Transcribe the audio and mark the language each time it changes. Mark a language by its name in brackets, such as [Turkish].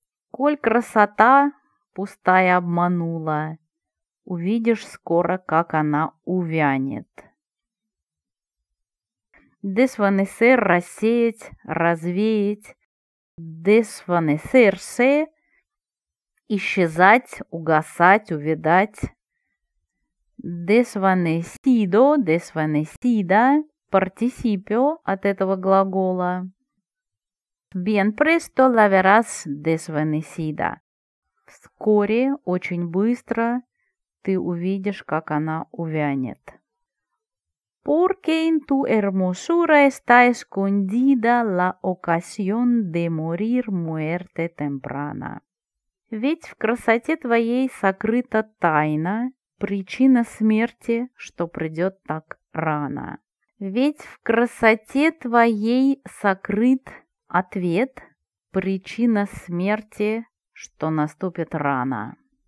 [Russian] Коль красота пустая обманула, увидишь скоро, как она увянет. Desvanecer – рассеять, развеять. Desvanecerse – исчезать, угасать, увядать. [Spanish] desvanecido, desvanecida, participio [Russian] от этого глагола. [Spanish] Bien presto la verás desvanecida. [Russian] Вскоре, очень быстро, ты увидишь, как она увянет. [Spanish] Porque en tu hermosura está escondida la ocasión de morir muerte temprana. [Russian] Ведь в красоте твоей сокрыта тайна, причина смерти, что придет так рано. Ведь в красоте твоей сокрыт ответ, причина смерти, что наступит рано.